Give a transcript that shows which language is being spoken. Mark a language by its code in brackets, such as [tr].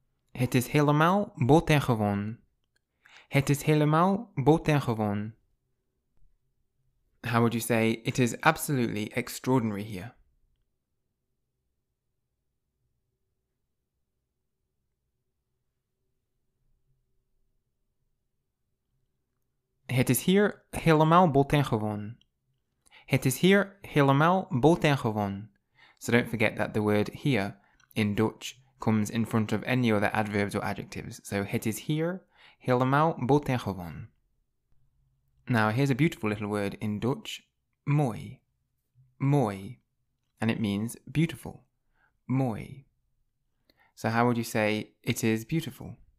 [nl] Het is helemaal buitengewoon. Het is helemaal buitengewoon. [en] How would you say it is absolutely extraordinary here? [nl] Het is hier helemaal buitengewoon. Het is hier helemaal buitengewoon. [en] So don't forget that the word here in Dutch comes in front of any other adverbs or adjectives. [nl] So het is hier helemaal buitengewoon. [en] Now here's a beautiful little word in Dutch. Mooi. Mooi. And it means beautiful. Mooi. So how would you say it is beautiful?